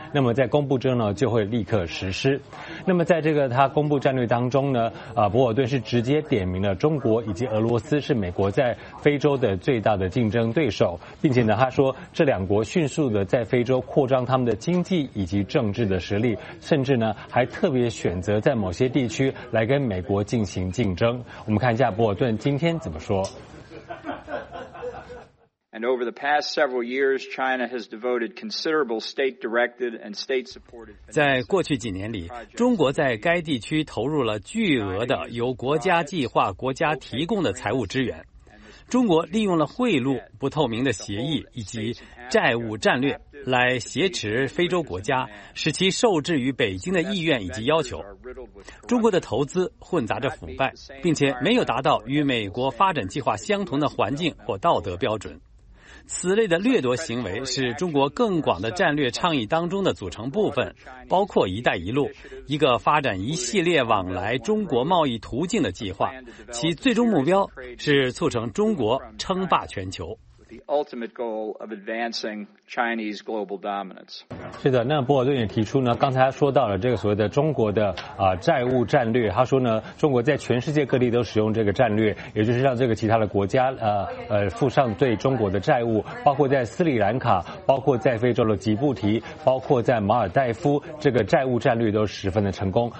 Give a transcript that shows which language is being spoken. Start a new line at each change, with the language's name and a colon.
Chinese: 那么在公布之后呢，就会立刻实施。那么在这个他公布战略当中呢，博尔顿是直接点名了中国以及俄罗斯是美国在非洲的最大的竞争对手，并且呢，他说这两国迅速的在非洲扩张他们的经济以及政治的实力，甚至呢还特别选择在某些地区来跟美国进行竞争。我们看一下博尔顿今天怎么说。
English: And over the past several years, China has devoted considerable state-directed and state-supported.
Chinese: 在过去几年里，中国在该地区投入了巨额的由国家计划、国家提供的财务支援。中国利用了贿赂、不透明的协议以及债务战略来挟持非洲国家，使其受制于北京的意愿以及要求。中国的投资混杂着腐败，并且没有达到与美国发展计划相同的环境或道德标准。此类的掠夺行为是中国更广的战略倡议当中的组成部分，包括一带一路，一个发展一系列往来中国贸易途径的计划，其最终目标是促成中国称霸全球。
English: the ultimate goal of advancing Chinese global dominance.
Chinese: 是的，那波尔顿也提出呢，刚才说到了这个所谓的中国的债务战略，他说呢，中国在全世界各地都使用这个战略，也就是让这个其他的国家付上对中国的债务，包括在斯里兰卡，包括在非洲的吉布提，包括在马尔代夫，这个债务战略都十分的成功。